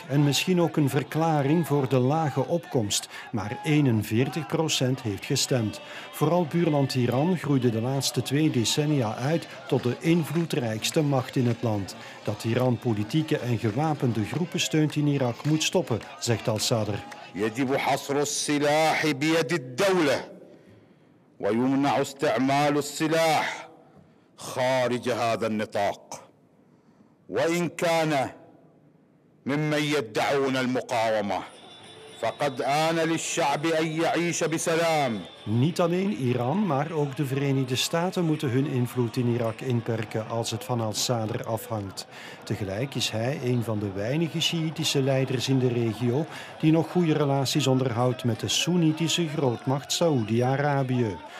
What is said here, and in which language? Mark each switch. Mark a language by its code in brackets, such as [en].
[nl] En misschien ook een verklaring voor de lage opkomst. Maar 41% heeft gestemd. Vooral buurland Iran groeide de laatste twee decennia uit tot de invloedrijkste macht in het land. Dat Iran politieke en gewapende groepen steunt in Irak moet stoppen, zegt al-Sadr. [ar] يجب حصر السلاح بيد الدولة ويمنع استعمال السلاح خارج هذا النطاق وإن كان ممن يدعون المقاومة فقد آن للشعب أن يعيش بسلام. [nl] Niet alleen Iran, maar ook de Verenigde Staten moeten hun invloed in Irak inperken als het van al-Sadr afhangt. Tegelijk is hij een van de weinige Sjiïtische leiders in de regio die nog goede relaties onderhoudt met de Soenitische grootmacht Saoedi-Arabië.